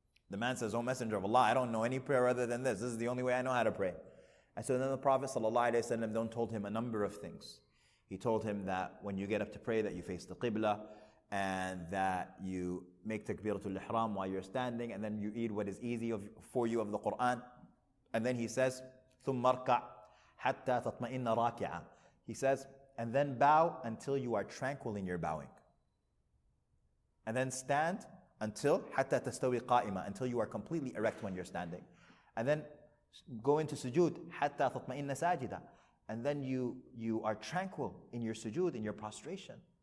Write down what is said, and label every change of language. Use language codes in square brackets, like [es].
[en] The man says, O Messenger of Allah, I don't know any prayer other than this. This is the only way I know how to pray. And so then the Prophet sallallahu alayhi wa sallam then told him a number of things. He told him that when you get up to pray, that you face the Qibla, and that you make takbiratul ihram while you're standing, and then you read what is easy for you of the Qur'an. And then he says, [ar] ثُمَّ ارْكَعْ حَتَّى تَطْمَئِنَّ رَاكِعًا. [en] He says, and then bow until you are tranquil in your bowing. And then stand until, [ar] حَتَّى تَسْتَوِي قَائِمًا, [en] until you are completely erect when you're standing. And then go into sujood, [ar] حَتَّى تَطْمَئِنَّ سَاجِدًا. [en] And then you are tranquil in your sujood, in your prostration.